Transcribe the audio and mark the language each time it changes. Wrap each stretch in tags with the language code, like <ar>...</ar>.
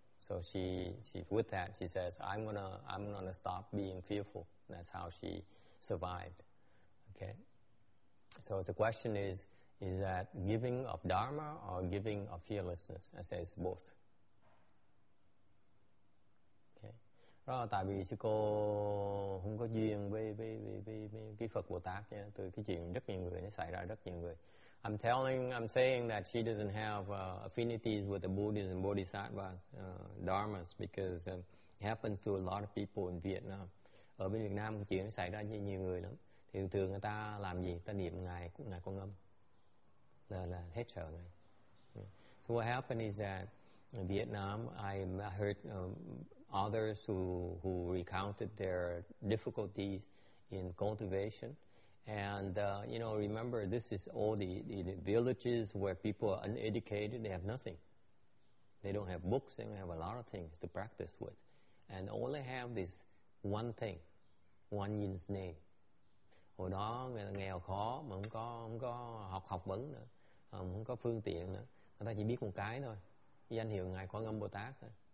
<en>So she with that, she says, I'm gonna stop being fearful. That's how she survived. Okay. So the question is that giving of Dharma or giving of fearlessness? I say it's both.</en> <vi>Đó là tại vì sư cô không có duyên với cái Phật Bồ Tát nha. Từ cái chuyện rất nhiều người, nó xảy ra rất nhiều người.</vi> <en>I'm saying that she doesn't have affinities with the Buddhists and Bodhisattvas, Dharmas, because it happens to a lot of people in Vietnam.</en> <vi>Ở bên Việt Nam cái chuyện nó xảy ra như nhiều người lắm. Thường thường người ta làm gì? Ta niệm Ngài Quan Âm. Là hết trở rồi.</vi> <en>So what happened is that in Vietnam, I heard others who recounted their difficulties in cultivation. And, you know, remember, this is all the villages where people are uneducated, they have nothing. They don't have books, they don't have a lot of things to practice with. And all they have is one thing, one yin's name.</en> <vi>Hồi đó, nghèo khó, mà không có học vấn nữa, không có phương tiện nữa. Người ta chỉ biết một cái thôi, danh hiệu Ngài Quan Âm Bồ Tát thôi.</vi>